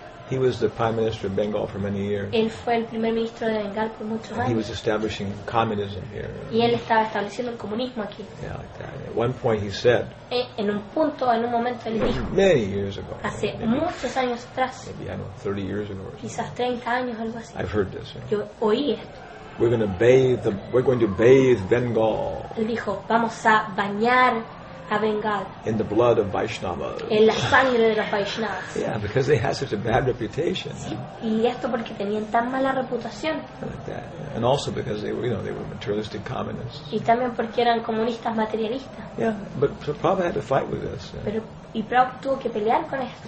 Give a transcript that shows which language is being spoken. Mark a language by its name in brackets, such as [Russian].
[English] He was the prime minister of Bengal for many years. [Spanish] Él fue el primer ministro de Bengal por muchos años. [English] He was establishing communism here. [Spanish] Y él estaba estableciendo el comunismo aquí. [English] Yeah, like that. At one point he said. [Spanish] En un momento él dijo. [English] Many years ago. [Spanish] Hace muchos años atrás. [English] Maybe, I don't know, 30 years ago. [Spanish] Quizás 30 años, algo así. [English] I've heard this. You know. [Spanish] Yo oí esto. [English] We're going to bathe Bengal. [Spanish] Él dijo, vamos a bañar. [English] In the blood of Vaishnavas. [Spanish] En la sangre de los Vaishnavas. [English] Yeah, because they had such a bad reputation. [Spanish] Sí. Y esto porque tenían tan mala reputación. [English] Like that. And also because they were, you know, they were materialistic communists. [Spanish] Y también porque eran comunistas materialistas. [English] Yeah, but so Prabhupada had to fight with this. [Spanish] Pero y Prabhupada tuvo que pelear con esto.